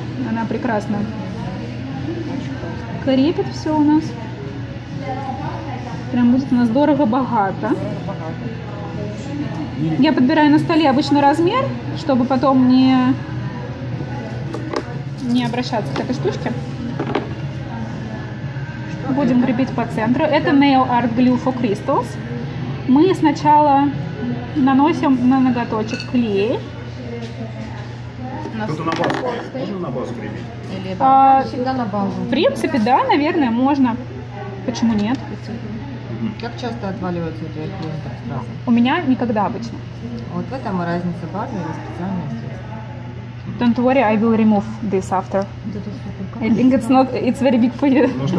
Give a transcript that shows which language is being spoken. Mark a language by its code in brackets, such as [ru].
[ru] Она прекрасно крепит все у нас. Прям будет у нас дорого-богато. Я подбираю на столе обычный размер, чтобы потом не обращаться к этой штучке. Что будем это? Крепить по центру. Это Nail Art Glue for Crystals. Мы сначала наносим на ноготочек клей. Тут на базу. Можно на базу крепить? Или это всегда на базу? В принципе, да, наверное, можно. Почему нет? Как часто отваливаются эти клей? У меня никогда обычно. Вот в этом разница базы или специальные средства. [en] Don't worry, I will remove this after. I think it's not, it's very big for you.